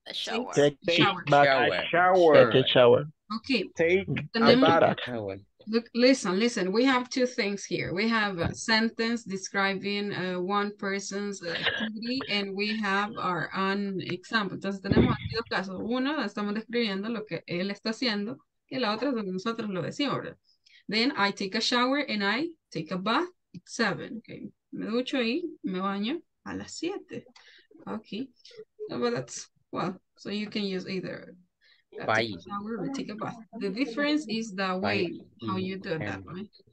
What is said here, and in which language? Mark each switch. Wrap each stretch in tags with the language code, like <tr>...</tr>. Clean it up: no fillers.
<en>A shower. Take a shower. Take a shower. Okay. Take a shower. Look, listen. We have two things here. We have a sentence describing one person's activity, and we have our own example.</en> <es>Entonces tenemos aquí dos casos. Uno, estamos describiendo lo que él está haciendo, y la otra es donde nosotros lo decimos, ¿verdad?</es> <en>Then I take a shower and I take a bath at 7. Okay.</en> <es>Me ducho y me baño a las 7. Okay.</es> <en>No, but that's, well, so you can use either. The difference is the way how you do that, right?</en>